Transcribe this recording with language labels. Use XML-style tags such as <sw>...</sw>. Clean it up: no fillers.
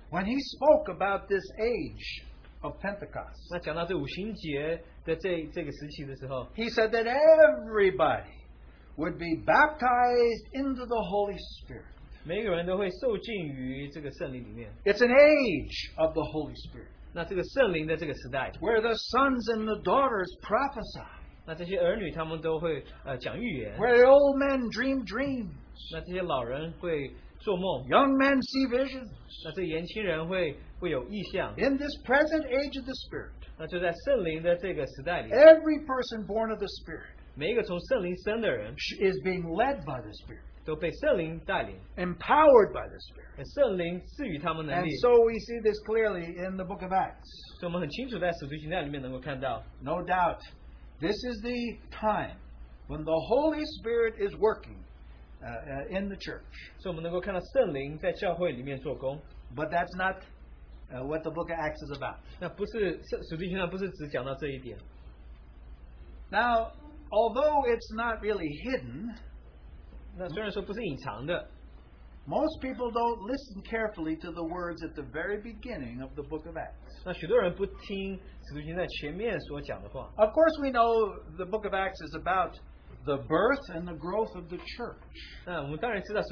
<en>when he spoke about this age of Pentecost,</en> <zh>那讲到这五旬节的这个时期的时候,</zh> <en>he said that everybody would be baptized into the Holy Spirit. It's an age of the Holy Spirit, where the sons and the daughters prophesy.</en> <zh>那这些儿女他们都会讲预言,</zh> <en>where the old men dream dreams,</en> <zh>那这些老人会做梦,</zh> <en>young men see visions,</en> <zh>那这些年轻人会有异象,</zh> <en>in this present age of the Spirit,</en> <zh>那就在圣灵的这个时代里,</zh> <en>every person born of the Spirit,</en> <zh>每一个从圣灵生的人,</zh> <en>is being led by the Spirit,</en> <zh>都被圣灵带领,</zh> <en>empowered by the Spirit,</en> <zh>圣灵赐予他们能力,</zh> <en>and so we see this clearly in the book of Acts.</en> <zh>所以我们很清楚在使徒行传里面能够看到,</zh> <en>no doubt, this is the time when the Holy Spirit is working in the church. But that's not what the book of Acts is about.</en> <zh>那不是,使徒行传不是只讲到这一点。Now,</zh> <en>although it's not really hidden,</en> <zh>那虽然说不是隐藏的,</zh> <en>most people don't listen carefully to the words at the very beginning of the book of Acts.</en> <zh>那许多人不听使徒行传前面所讲的话。</zh> <en>Of course we know the book of Acts is about the birth and the growth of the church.</en>